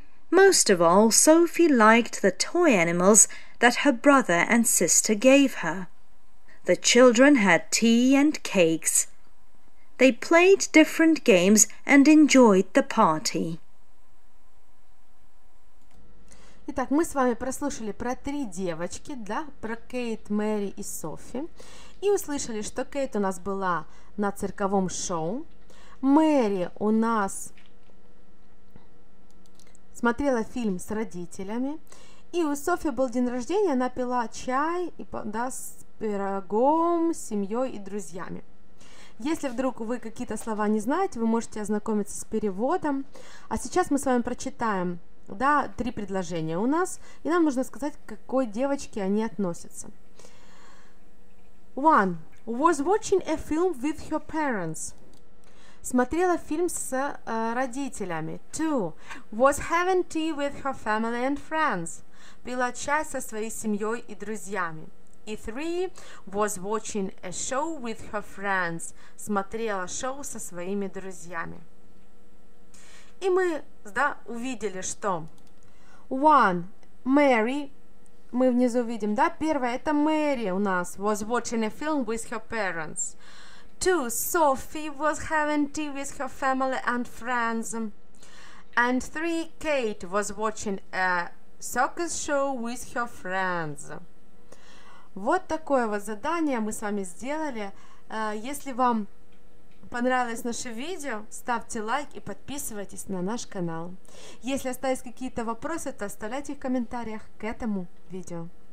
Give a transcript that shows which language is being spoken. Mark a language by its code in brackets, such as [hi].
[en] Most of all, Sophie liked the toy animals that her brother and sister gave her. The children had tea and cakes. They played different games and enjoyed the party. [ru] Итак, мы с вами прослушали про три девочки, да, про Кейт, Мэри и Софи, и услышали, что Кейт у нас была на цирковом шоу, Мэри у нас смотрела фильм с родителями, и у Софи был день рождения, она пила чай и, да, с пирогом, с семьей и друзьями. Если вдруг вы какие-то слова не знаете, вы можете ознакомиться с переводом. А сейчас мы с вами прочитаем, да, три предложения у нас, и нам нужно сказать, к какой девочке они относятся. [en] One. Was watching a film with her parents. [ru] Смотрела фильм с родителями. [en] Two. Was having tea with her family and friends. [ru] Пила чай со своей семьей и друзьями. И [en] three. Was watching a show with her friends. [ru] Смотрела шоу со своими друзьями. И мы, да, увидели, что [en] one, [ru] Mary, мы внизу видим, да, первое, это Mary у нас, [en] was watching a film with her parents. Two, Sophie was having tea with her family and friends. And three, Kate was watching a circus show with her friends. [ru] Вот такое вот задание мы с вами сделали. Если вам понравилось наше видео, ставьте лайк и подписывайтесь на наш канал. Если остались какие-то вопросы, то оставляйте их в комментариях к этому видео.